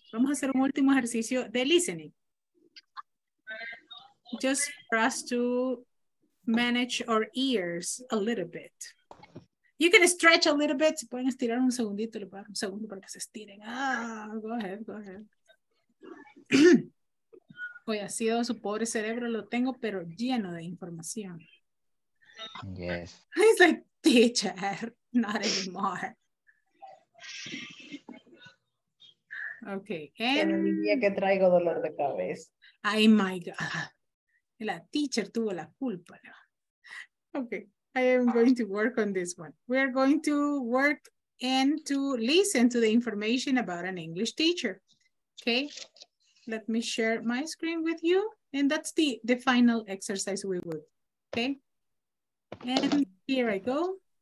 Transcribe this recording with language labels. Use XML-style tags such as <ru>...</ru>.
<es>Vamos a hacer un último ejercicio de listening.</es> <en>Just for us to manage our ears a little bit. You can stretch a little bit.</en> <es>Si pueden estirar un segundito, le puedo dar un segundo para que se estiren.</es> <en>Ah, go ahead.</en> <es>Hoy ha sido su pobre cerebro, lo tengo, pero lleno de información.</es> <en>Yes. He's like, teacher, not anymore. Okay.</en> <es>En el día que traigo dolor de cabeza.</es> <en>Ay, my God.</en> <es>La teacher tuvo la culpa.</es> <en>Okay, I am going to work on this one. We are going to work and to listen to the information about an English teacher. Okay, let me share my screen with you. And that's the final exercise we will. Okay, and here I go.</en>